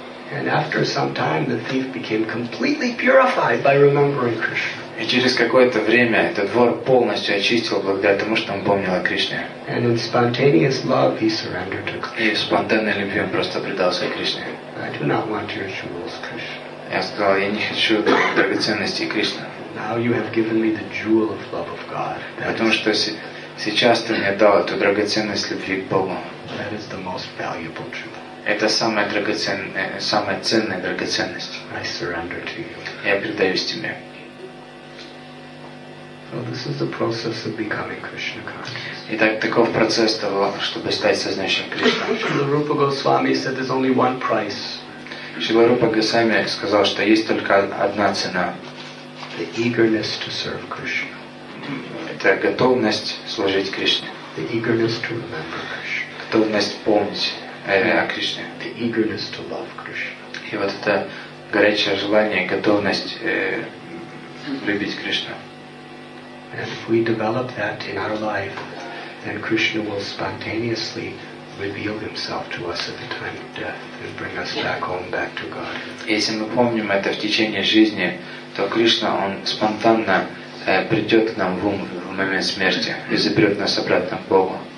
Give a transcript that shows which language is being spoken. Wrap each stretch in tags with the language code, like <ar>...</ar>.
<en>And after some time, the thief became completely purified by remembering Krishna.</en> <ru>И через какое-то время этот вор полностью очистил благодаря тому, что он помнил о Кришне.</ru> <en>And in spontaneous love, he surrendered to Krishna.</en> <ru>И в спонтанной любви он просто предался Кришне.</ru> <en>I do not want your jewels, Krishna.</en> <ru>Я сказал, я не хочу драгоценностей Кришны.</ru> <en>Now you have given me the jewel of love of God.</en> <ru>Потому что сейчас ты мне дал эту драгоценность любви к Богу.</ru> <en>That is the most valuable jewel.</en> <ru>Это самая ценная драгоценность.</ru> <en>I surrender to you.</en> <ru>Я предаюсь тебе.</ru> <en>So this is the process of becoming Krishna conscious.</en> <ru>Итак, таков процесс того, чтобы стать сознающим Кришна.</ru> <en>Шрила Рупа Госвами said there's only one price.</en> <ru>Шрила Рупа Госвами сказал, что есть только одна цена.</ru> <en>the eagerness to serve Krishna.</en> <ru>Это готовность служить Кришне.</ru> <en>The eagerness to remember Krishna.</en> <ru>Готовность помнить о Кришне.</ru> <en>The eagerness to love Krishna.</en> <ru>И вот это горячее желание, готовность любить Кришну.</ru> <en>And if we develop that in our life, then Krishna will spontaneously reveal himself to us at the time of death and bring us back home, back to God.</en> <ru>Если мы помним это в течение жизни, то Кришна, он спонтанно придет к нам в ум в момент смерти и заберет нас обратно к Богу.</ru>